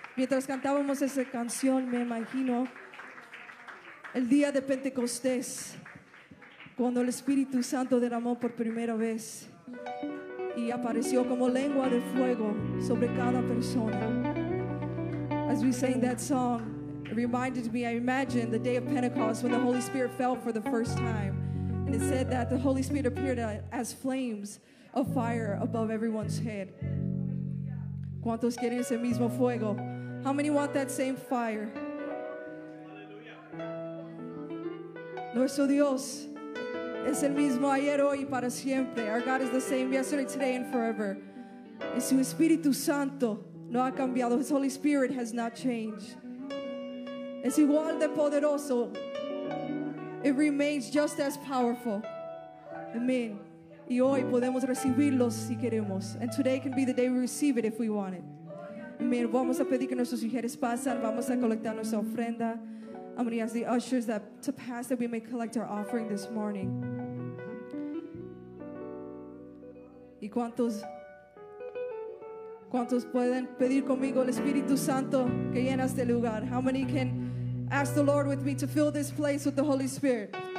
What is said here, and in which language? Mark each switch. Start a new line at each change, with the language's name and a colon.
Spanish: Mientras cantábamos esa canción, me imagino el día de Pentecostés, cuando el Espíritu Santo derramó por primera vez y apareció como lengua de fuego sobre cada persona.
English: As we sang that song, it reminded me, I imagine the day of Pentecost when the Holy Spirit fell for the first time. And it said that the Holy Spirit appeared as flames of fire above everyone's head.
Spanish: ¿Cuántos quieren ese mismo fuego?
English: How many want that same fire? Hallelujah.
Spanish: Nuestro Dios es el mismo ayer, hoy y para siempre.
English: Our God is the same yesterday, today and forever.
Spanish: Y su Espíritu Santo no ha cambiado.
English: His Holy Spirit has not changed.
Spanish: Es igual de poderoso.
English: It remains just as powerful. Amen.
Spanish: Y hoy podemos recibirlo si queremos.
English: And today can be the day we receive it if we want it. Amen.
Spanish: Vamos a pedir que nuestras mujeres pasen. Vamos a colectar nuestra ofrenda.
English: I'm going to ask the ushers that to pass that we may collect our offering this morning.
Spanish: ¿Y cuántos pueden pedir conmigo el Espíritu Santo que llena este lugar?
English: How many can ask the Lord with me to fill this place with the Holy Spirit?